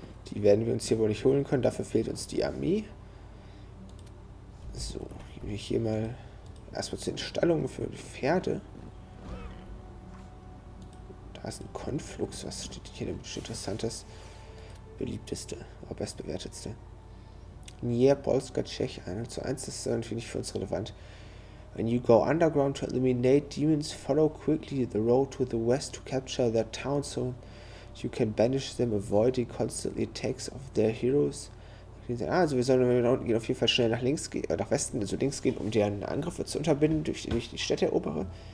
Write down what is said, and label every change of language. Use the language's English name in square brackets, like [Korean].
[German] Die werden wir uns hier wohl nicht holen können. Dafür fehlt uns die Armee. So, gehen wir hier mal erstmal zu den Stallungen für die Pferde. Da ist ein Konflux. Was steht hier denn Interessantes? Beliebteste, aber bestbewertetste. Nierpolska Tschech 1 zu 1, das ist natürlich nicht für uns relevant. [English] When you go underground to eliminate demons, follow quickly the road to the west to capture their town so you can banish them, avoiding constantly attacks of their heroes. [German] Also wir sollen, wenn wir nach unten gehen, auf jeden Fall schnell nach links gehen, nach Westen, also links gehen, um deren Angriffe zu unterbinden, durch die Städte erobere.